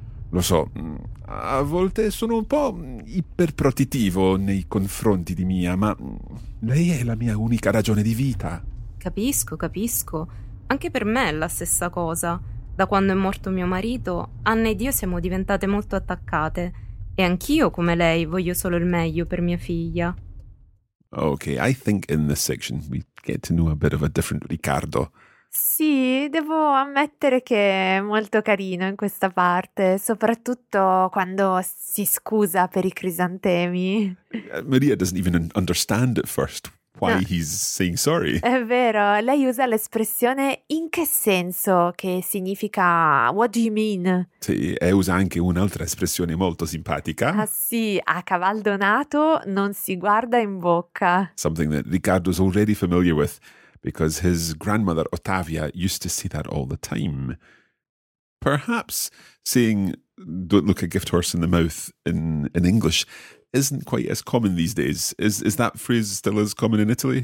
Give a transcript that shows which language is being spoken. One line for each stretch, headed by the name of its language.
Italian: Lo so, a volte sono un po' iperprotettivo nei confronti di Mia, ma lei è la mia unica ragione di vita. Capisco, capisco. Anche per me è la stessa cosa. Da quando è morto mio marito, Anna ed io siamo diventate molto attaccate. E anch'io, come lei, voglio solo il meglio per mia figlia.
English: Ok, I think in this section we get to know a bit of a different Riccardo.
Italian: Sì, devo ammettere che è molto carino in questa parte, soprattutto quando si scusa per i crisantemi.
English: Maria doesn't even understand at first. Why he's saying sorry.
Italian: È vero, lei usa l'espressione in che senso, che significa
English: what do you mean?
Italian: Sì, e usa anche un'altra espressione molto simpatica. Ah sì, a cavallo nato non si guarda in bocca.
English: Something that Riccardo's already familiar with, because his grandmother Ottavia used to say that all the time. Perhaps saying don't look a gift horse in the mouth in English isn't quite as common these days. Is that phrase still as common in Italy?